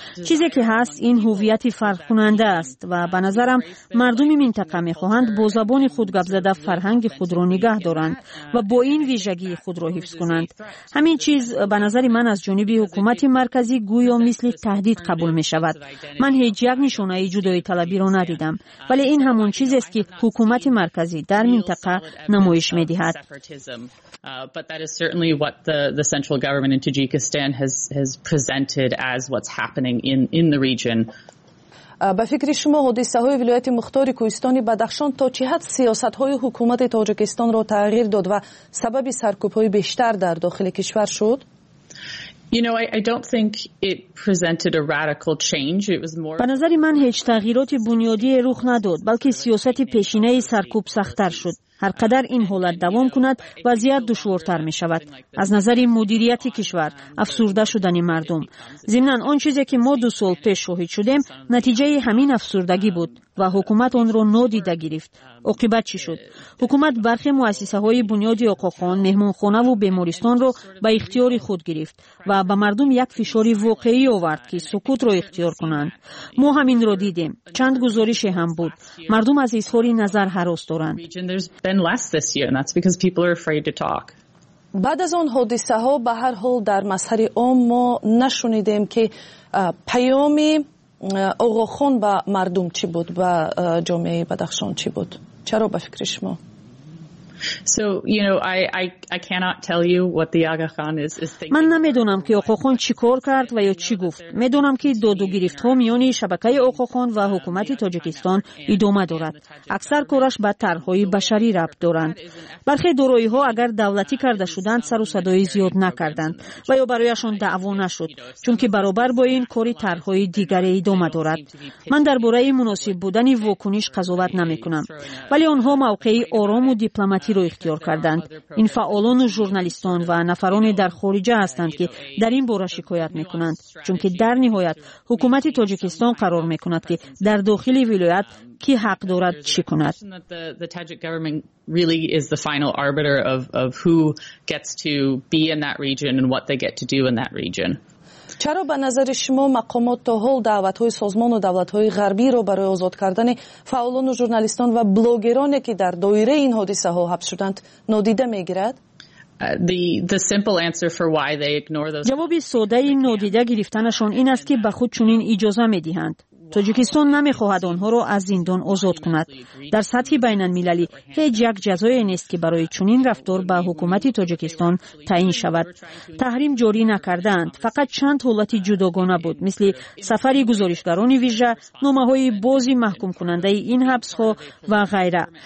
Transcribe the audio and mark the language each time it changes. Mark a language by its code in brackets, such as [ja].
[fa] چیزی که هست این هویت فرق کننده است و به نظرم مردم منطقه میخواهند با زبان خود گپ زده فرهنگ خود را نگه دارند و با این ویژگی خود را حفظ کنند. همین چیز به نظر من از جانب حکومت مرکزی گویا مثل تهدید قبول می شود. من هیچ یک نشانه جدایی طلبی را ندیدم. ولی این همون چیز است که حکومت مرکزی در منطقه نمایش می دهد. [en] But that is certainly what the central government in Tajikistan has presented as what's happening in the region. [fa] به فکر شما حادثه های ولایت مختار کوهستان بدخشان تا چه حد سیاست های حکومت تاجیکستان را تغییر داد و سبب سرکوب های بیشتر در داخل کشور شد؟ به نظر من هیچ تغییرات بنیادی رخ نداد، بلکه سیاست پیشینه سرکوب سخت‌تر شد. هر قدر این حالت دوام کند وضعیت دشوارتر می شود. از نظر مدیریت کشور، افسرده شدن مردم. ضمن آن چیزی که ما دو سال پیش شاهد شدیم، نتیجه همین افسردگی بود و حکومت آن را نادیده گرفت. عاقبت چی شد؟ حکومت برخی مؤسسه های بنیادی آقاخان، مهمانخانه و بیمارستان را به اختیار خود گرفت و به مردم یک فشاری واقعی آورد که سکوت را اختیار کنند. ما همین را دیدیم. چند گزارش هم بود. مردم از اظهار نظر هراس دارند. [en] Been less this year, and that's because people are afraid to talk. [fa] بعد از آن حادثه ها به هر حال در مسهر عام ما نشنیدیم که پیام آقاخان به مردم چی بود، به جامعه بدخشان چی بود. چرا به فکر شما؟ [en] So you know, I cannot tell you what the Aga Khan is thinking. [fa] من نمیدونم که آقاخان چی کار کرد و یا چی گفت. میدونم که دادو گرفت ها میان شبکه آقاخان و حکومت تاجیکستان ادامه دارد. اکثر کارش به طرحهای بشری ربط دارند. برخی دارایی ها اگر دولتی کرده شدند سر و صدای زیاد نکردند و یا برایشان دعوا نشد، چون که برابر با این کاری طرحهای دیگری ادامه دارد. من درباره مناسب بودن واکنش قضاوت نمیکنم، ولی آنها موقعی آرام و دیپلماتیک رو اختیار کردند. این فعالان و ژورنالیستان و نفران در خارجه هستند که در این باره شکایت میکنند، چون که در نهایت حکومت تاجیکستان قرار میکند که در داخل ولایت کی حق دارد چی کند. [en] Really is the final arbiter of who gets to be in that region and what they get to do in that region. [fa] چرا به نظر شما مقامات تا حال دعوت های سازمان و دولت های غربی را برای آزاد کردن فعالان و ژورنالیستان و بلاگرانی که در دایره این حادثه ها حبس شدند نادیده می گیرد؟ [en] The simple answer for why they ignore those. [fa] جواب ساده این نادیده گرفتنشان این است که به خود چنین اجازه می دهند. تاجیکستان نمیخواهد آنها را از زندان آزاد کند. در سطح بین المللی هیچ یک جزایی نیست که برای چنین رفتار به حکومت تاجیکستان تعیین شود. تحریم جاری نکردند. فقط چند حالت جداگانه بود، مثل سفر گزارشگران ویژه، نامه های بازی محکوم کننده این حبس ها و غیره.